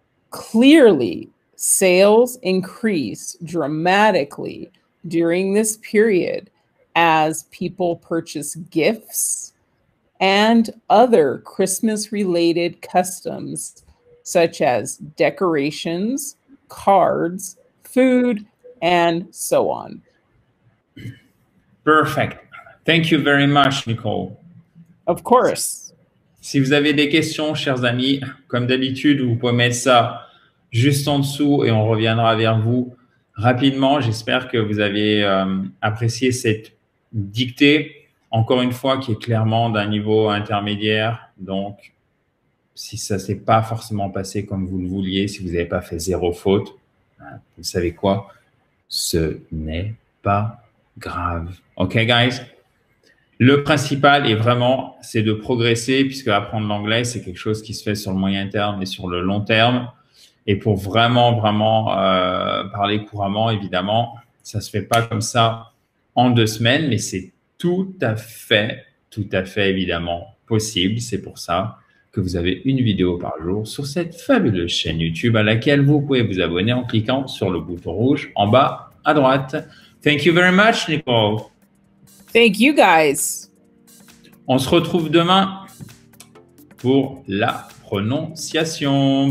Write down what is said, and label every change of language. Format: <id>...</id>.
<en>Clearly, sales increase dramatically during this period as people purchase gifts and other Christmas-related customs such as decorations, cards, food, and so on. Perfect. Thank you very much, Nicole. Of course.</en> <fr>Si vous avez des questions, chers amis, comme d'habitude, vous pouvez mettre ça juste en dessous et on reviendra vers vous rapidement. J'espère que vous avez apprécié cette dictée, encore une fois, qui est clairement d'un niveau intermédiaire Donc, si ça ne s'est pas forcément passé comme vous le vouliez, si vous n'avez pas fait zéro faute, vous savez quoi? Ce n'est pas grave.</fr> <en>OK, guys?</en> <fr>Le principal est vraiment, c'est de progresser, puisque apprendre l'anglais, c'est quelque chose qui se fait sur le moyen terme et sur le long terme. Et pour vraiment, vraiment parler couramment, évidemment, ça ne se fait pas comme ça en deux semaines, mais c'est tout à fait, évidemment, possible. C'est pour ça que vous avez une vidéo par jour sur cette fabuleuse chaîne YouTube à laquelle vous pouvez vous abonner en cliquant sur le bouton rouge en bas à droite.</fr> <en>Thank you very much, Nicole. Thank you, guys.</en> <fr>On se retrouve demain pour la prononciation.</fr>